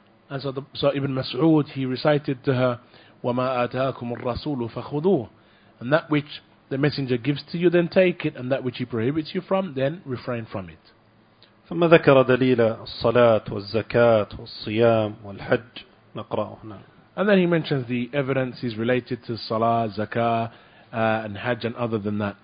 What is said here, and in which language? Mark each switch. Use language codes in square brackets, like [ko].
[en] And so Ibn Mas'ud, he recited to her, [ar] وَمَا آتَاكُمُ الرَّسُولُ فَخُذُوهُ. [en] And that which the messenger gives to you, then take it, and that which he prohibits you from, then refrain from it. [ar] ثم ذكر دليل الصلاة والزكاة والصيام والحج نقرأه هنا. [en] And then he mentions the evidences related to Salah, Zakah, and Hajj and other than that.